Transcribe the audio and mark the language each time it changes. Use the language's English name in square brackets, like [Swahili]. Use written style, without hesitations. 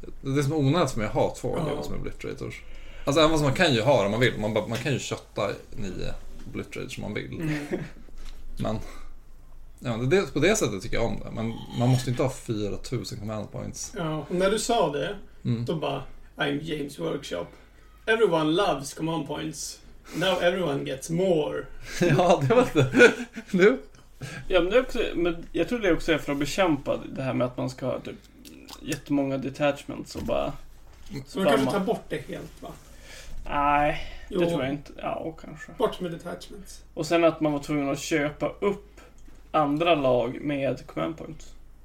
[Swedish] Det är som onödigt för mig att ha 2 som Obliterators. Alltså även vad man kan ju ha om man vill. Man kan ju kötta 9 Blitrage som man vill. Men ja, på det sättet tycker jag om det. Men man måste inte ha 4000 command points. Ja, och när du sa det då bara, [English] I'm James Workshop. Everyone loves command points. Now everyone gets more. [Swedish] Ja, det var det. Nu? Ja, men, det också, men jag tror det också är för att bekämpa det här med att man ska ha typ jättemånga detachments och bara spamma. Så man kanske tar bort det helt, va? Nej, jo. Det tror jag inte. Ja, kanske. Bort med detachments. Och sen att man var tvungen att köpa upp andra lag med command points.